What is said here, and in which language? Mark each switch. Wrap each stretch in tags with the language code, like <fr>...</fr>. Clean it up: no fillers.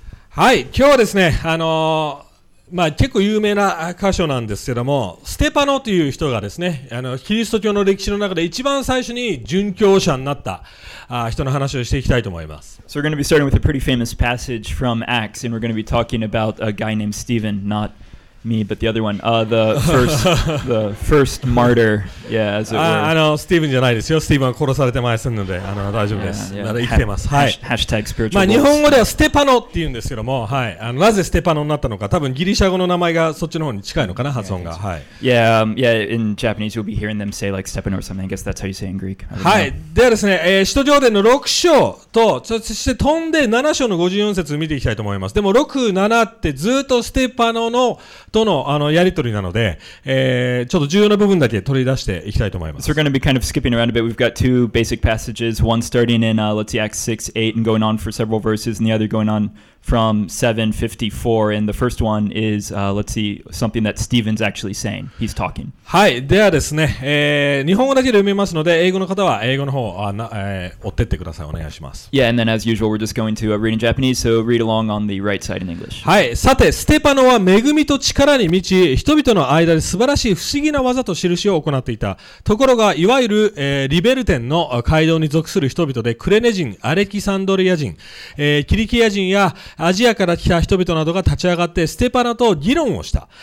<ja>はい、今日はですね、まあ、結構有名な箇所なんですけども、ステパノという人がですね、キリスト教の歴史の中で一番最初に殉教者になった人の話をしていきたいと思います。</ja> <en>So we're going to be starting with a pretty famous passage from Acts, and we're going to be talking about a guy named Stephen, not me, but the other one, the first martyr, yeah, as it were.</en> <ja>Stephen じゃないですよ。Stephen は殺されてますので、大丈夫です。</ja> <en>Yeah, yeah.</en> <ja>まだ生きてます。はい。</ja> <en>Hashtag spiritual bullets.</en> <ja>まあ、日本語ではステパノって言うんですけども、はい。なぜステパノになったのか、多分ギリシャ語の名前がそっちの方に近いのかな、発音が。はい。</ja> <en>Yeah, in Japanese, you'll be hearing them say like Stephen or something. I guess that's how you say in Greek.</en> <ja>はい。ではですね、使徒行伝の6章と、そして飛んで7章の54節を見ていきたいと思います。でも、6、7ってずっとステパノのとの、やり取りなので、ちょっと重要な部分だけ取り出していきたいと思います。</ja> <en>So we're going to be kind of skipping around a bit. We've got two basic passages, one starting in, let's see, Acts 6, 8, and going on for several verses, and the other going on from 7:54. And the first one is, let's see, something that Stephen's actually saying. He's talking.</en> <ja>はい。ではですね、日本語だけで読みますので、英語の方は英語の方を、追ってってください。お願いします。</ja> <en>Yeah, and then as usual, we're just going to read in Japanese, so read along on the right side in English.</en> <ja>はい。さて、ステパノは恵みと力に満ち、人々の間で素晴らしい不思議な技と印を行っていた。ところが、いわゆる、リベルテンの街道に属する人々で、クレネ人、アレキサンドリア人、キリキア人やアジアから来た人々などが立ち上がってステパノと議論をした。</ja>